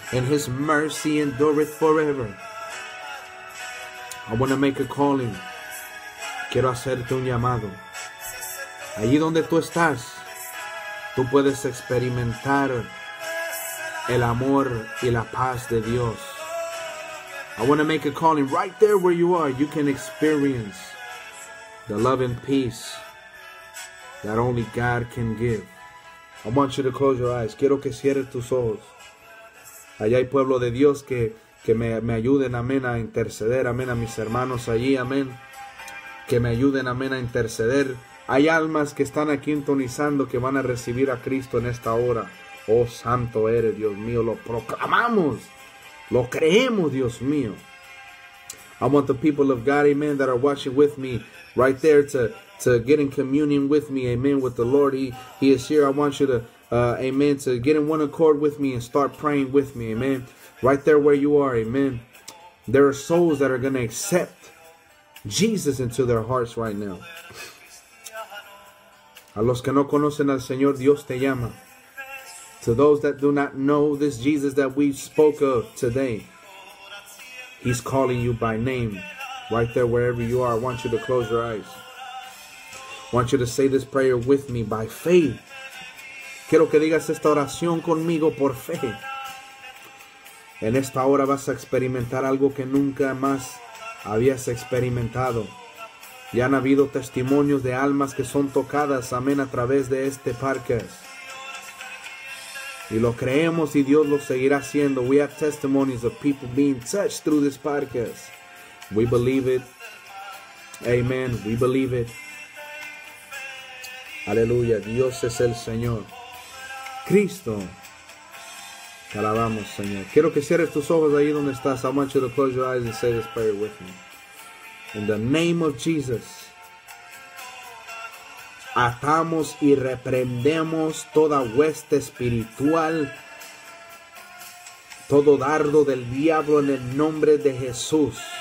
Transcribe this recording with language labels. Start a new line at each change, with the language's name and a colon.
English: And His mercy endureth forever. I want to make a calling.
Spanish: Quiero hacerte un llamado. Allí donde tú estás, tú puedes experimentar el amor y la paz de Dios.
English: I want to make a calling. Right there where you are, you can experience the love and peace that only God can give. I want you to close your eyes.
Spanish: Quiero que cierres tus ojos. Allá hay pueblo de Dios que me ayuden, amén, a interceder, amén, a mis hermanos allí, amén. Que me ayuden, amén, a interceder. Hay almas que están aquí entonizando que van a recibir a Cristo en esta hora. Oh, santo eres, Dios mío, lo proclamamos, lo creemos, Dios mío.
English: I want the people of God, amen, that are watching with me right there to get in communion with me, amen, with the Lord. He is here. I want you to, amen, to get in one accord with me and start praying with me, amen. Right there where you are, amen. There are souls that are going to accept Jesus into their hearts right now.
Spanish: A los que no conocen al Señor, Dios te llama.
English: To those that do not know this Jesus that we spoke of today, He's calling you by name. Right there wherever you are, I want you to close your eyes. I want you to say this prayer with me by faith.
Spanish: Quiero que digas esta oración conmigo por fe. En esta hora vas a experimentar algo que nunca más habías experimentado. Ya han habido testimonios de almas que son tocadas, amén, a través de este podcast. Y lo creemos y Dios lo seguirá haciendo.
English: We have testimonies of people being touched through this podcast. We believe it. Amen. We believe it.
Spanish: Aleluya. Dios es el Señor. Cristo. Te alabamos, Señor. Quiero que cierres tus ojos ahí donde estás.
English: I want you to close your eyes and say this prayer with me. In the name of Jesus.
Spanish: Atamos y reprendemos toda hueste espiritual, todo dardo del diablo en el nombre de Jesús.